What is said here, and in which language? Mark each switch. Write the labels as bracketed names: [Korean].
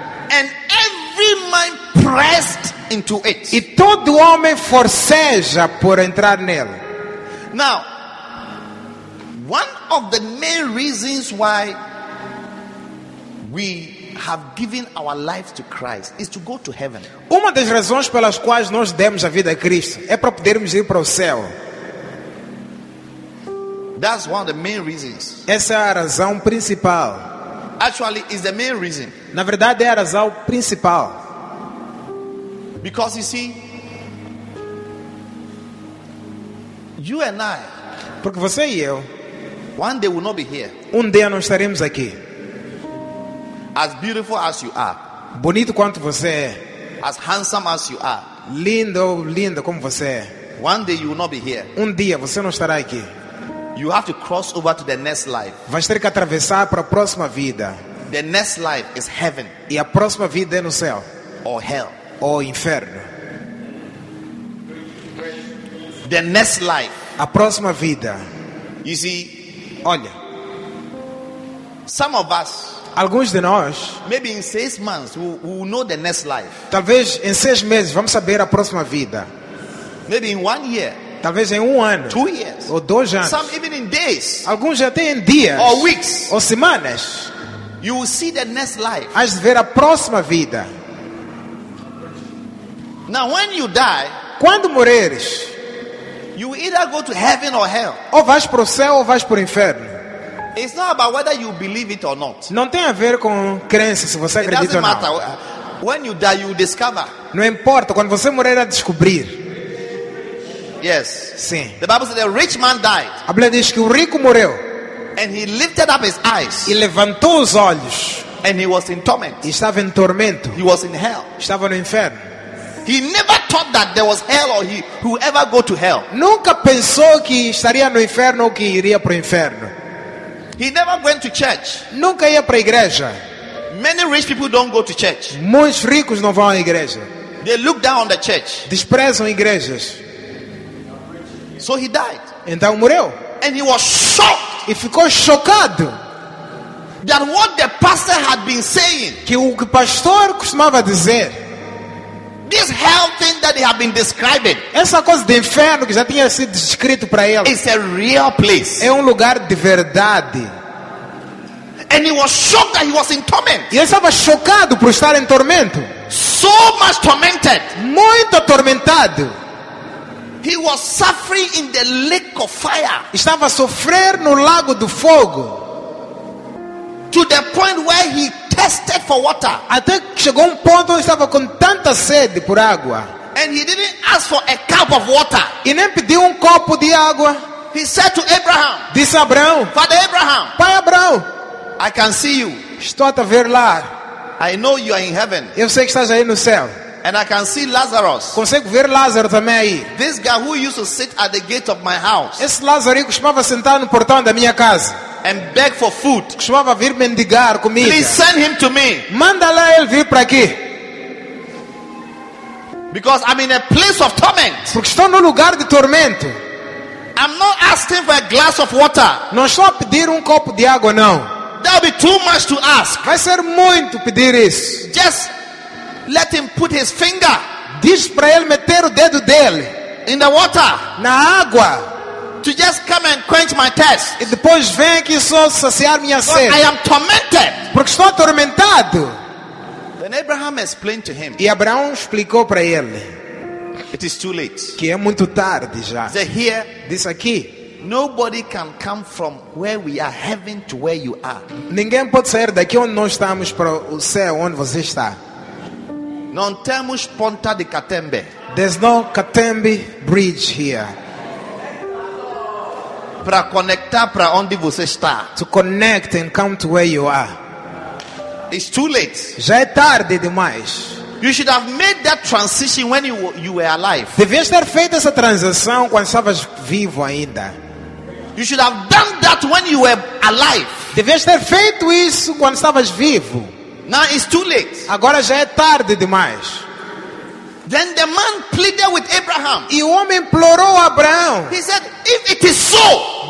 [English] And every man pressed into it. [Portuguese] E todo homem forceja por entrar nele. [English] Now, one of the main reasons why we have given our life to Christ is to go to heaven. [Portuguese] Uma das razões pelas quais nós demos a vida a Cristo é para podermos ir para o céu. [English] That's one of the main reasons. [Portuguese] Essa é a razão principal. [English] Actually, is the main reason. [Portuguese] Na verdade, é a razão principal. [English] Because you see, you and I, [Portuguese] porque você e eu, [English] one day will not be here. [Portuguese] Um dia não estaremos aqui. [English] As beautiful as you are, [Portuguese] bonito quanto você é. [English] As handsome as you are, [Portuguese] lindo, linda como você é. [English] One day you will not be here. [Portuguese] Um dia você não estará aqui. [English] You have to cross over to the next life. [Portuguese] Vai ter que atravessar para a próxima vida. [English] The next life is heaven. [Portuguese] E a próxima vida é no céu. [English] Or hell. [Portuguese] Ou inferno. [English] The next life. [Portuguese] A próxima vida. [English] You see, [Portuguese] olha. [English] Some of us. [Portuguese] Alguns de nós. [English] Maybe in 6 months we'll know the next life. [Portuguese] Talvez em 6 meses vamos saber a próxima vida. [English] Maybe in 1 year. [Portuguese] Talvez em 1 ano, [English] 2 years, [Portuguese] ou 2 anos, [English] some even in days, [Portuguese] alguns já têm dias, [English] or weeks, [Portuguese] ou semanas, [English] you will see the next life. [Portuguese] Hás de ver a próxima vida. [English] Now, when you die, [Portuguese] quando morreres, [English] you either go to heaven or hell. [Portuguese] Ou vais para o céu ou vais para o inferno. [English] It's not about whether you believe it or not. [Portuguese] Não tem a ver com crença se você acredita ou não. [English] Matter. When you die, you discover. [Portuguese] Não importa, quando você morrer, vai descobrir. [English] Yes. [Portuguese] Sim. [English] The Bible says the rich man died. [Portuguese] A Bíblia diz que o rico morreu. [English] And he lifted up his eyes. [Portuguese] E levantou os olhos. [English] And he was in torment. [Portuguese] E estava em tormento. [English] He was in hell. [Portuguese] Estava no inferno. [English] He never thought that there was hell or he who ever go to hell. [Portuguese] Nunca pensou que estaria no inferno ou que iria para o inferno. [English] He never went to church. [Portuguese] Nunca ia para a igreja. [English] Many rich people don't go to church. [Portuguese] Muitos ricos não vão à igreja. [English] They look down on the church. [Portuguese] Desprezam igrejas. [English] So he died. [Portuguese] Então morreu. [English] And he was shocked. [Portuguese] E ficou chocado. [English] That what the pastor had been saying. [Portuguese] Que o que o pastor costumava dizer. [English] This hell thing that he had been describing. [Portuguese] Essa coisa de inferno que já tinha sido descrito para ele. [English] It's a real place. [Portuguese] É um lugar de verdade. [English] And he was shocked that he was in torment. [Portuguese] E ele estava chocado por estar em tormento. [English] So much tormented. [Portuguese] Muito atormentado. [English] He was suffering in the lake of fire. [Portuguese] Estava a sofrer no lago do fogo. [English] To the point where he thirsted for water. [Portuguese] Até chegou ponto onde estava com tanta sede por água. [English] And he didn't ask for a cup of water. [Portuguese] E nem pediu copo de água. [English] He said to Abraham. [Portuguese] Disse a Abraão. [English] Father Abraham. [Portuguese] Pai Abraão. [English] I can see you. [Portuguese] Estou a ver lá. [English] I know you are in heaven. [Portuguese] Eu sei que estás aí no céu. [English] And I can see Lazarus. [Portuguese] Consigo ver Lázaro também aí. [English] This guy who used to sit at the gate of my house. [Portuguese] Esse Lázaro costumava sentar no portão da minha casa. [English] And beg for food. [Portuguese] Costumava vir mendigar comida. [English] Please send him to me. [Portuguese] Manda lá ele vir para aqui. [English] Because I'm in a place of torment. [Portuguese] Porque estou num lugar de tormento. [English] I'm not asking for a glass of water. [Portuguese] Não estou a pedir copo de água não. [English] That'll be too much to ask. [Portuguese] Vai ser muito pedir isso. [English] Just let him put his finger. [Portuguese] Diz para ele meter o dedo dele. [English] In the water. [Portuguese] Na água. [English] to just come and quench my thirst. [Portuguese] E depois vem aqui só saciar minha sede. [English] I am tormented. [Portuguese] Porque estou atormentado. [English] Then Abraham explained to him. [Portuguese] E Abraão explicou para ele. [English] It is too late. [Portuguese] Que é muito tarde já. [English] Say here. [Portuguese] Diz aqui. [English] Nobody can come from where we are, heaven, to where you are. [Portuguese] Ninguém pode sair daqui onde nós estamos para o céu onde você está. Non temos ponta de Catembe. [English] There's no Catembe bridge here. [Portuguese] Para conectar para onde você está. [English] To connect and come to where you are. It's too late. [Portuguese] Já é tarde demais. [English] You should have made that transition when you were alive. [Portuguese] Devias ter feito essa transição quando estavas vivo ainda. [English] You should have done that when you were alive. [Portuguese] Devias ter feito isso quando estavas vivo. [English] Now it's too late. [Portuguese] Agora já é tarde demais. [English] Then the man pleaded with Abraham. [Portuguese] E o homem implorou a Abraão. [English] He said, if it is so.